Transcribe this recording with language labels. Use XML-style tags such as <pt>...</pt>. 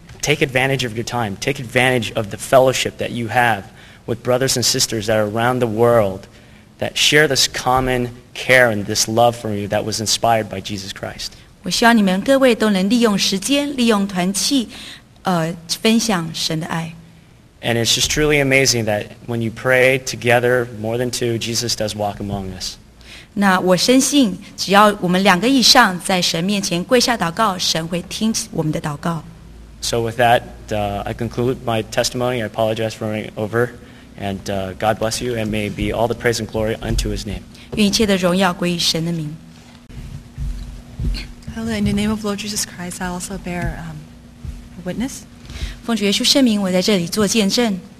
<en>Take advantage of your time. Take advantage of the fellowship that you have with brothers and sisters that are around the world that share this common care and this love for you that was inspired by Jesus Christ.</en> <zh>我希望你们各位都能利用时间，利用团契，分享神的爱。</zh> <en>And it's just truly amazing that when you pray together more than two, Jesus does walk among us.</en> <zh>那我深信，只要我们两个以上在神面前跪下祷告，神会听我们的祷告。</zh> <en>So with that, I conclude my testimony. I apologize for running over. And God bless you, and may be all the praise and glory unto his name.</en> <zh>愿一切的荣耀归于神的名。</zh> <en>Hello, in the name of Lord Jesus Christ, I also bear witness.</en> <zh>奉主耶稣圣名，我在这里做见证。</zh>